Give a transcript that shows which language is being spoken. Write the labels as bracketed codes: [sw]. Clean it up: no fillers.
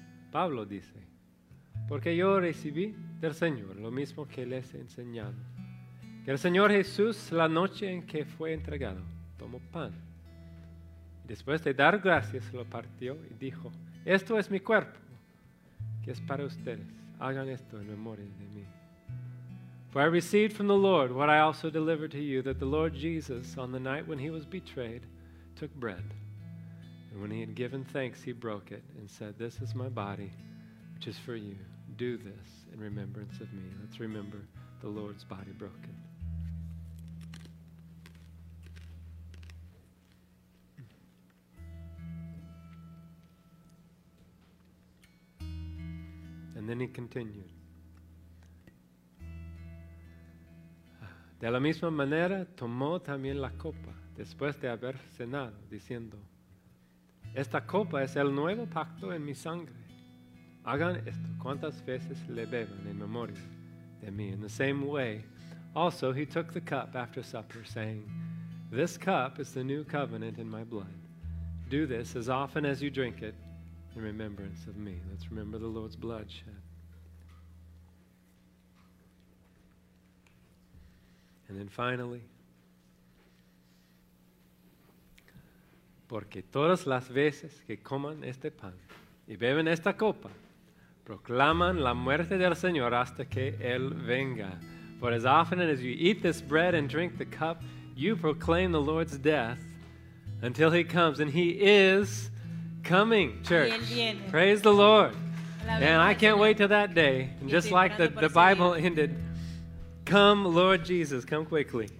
[es] Pablo dice, porque yo recibí del Señor lo mismo que les he enseñado. Que el Señor Jesús, la noche en que fue entregado, tomó pan. Y después de dar gracias, lo partió y dijo, esto es mi cuerpo, que es para ustedes. Hagan esto en memoria de mí. [en] For I received from the Lord what I also delivered to you, that the Lord Jesus, on the night when He was betrayed, took bread. And when He had given thanks, He broke it and said, this is my body, which is for you. Do this in remembrance of me. Let's remember the Lord's body broken. And then he continued. [es] De la misma manera, tomó también la copa después de haber cenado, diciendo, esta copa es el nuevo pacto en mi sangre. Hagan esto cuantas veces le beban en memoria de mí. [en] In the same way, also he took the cup after supper, saying, this cup is the new covenant in my blood. Do this as often as you drink it in remembrance of me. Let's remember the Lord's blood shed. And then finally, [es] porque todas las veces que coman este pan y beben esta copa, proclaman la muerte del Señor hasta que Él venga. [en] For as often as you eat this bread and drink the cup, you proclaim the Lord's death until He comes. And He is coming, church. Praise the Lord. And I can't wait till that day. And just like the Bible ended, come, Lord Jesus, come quickly.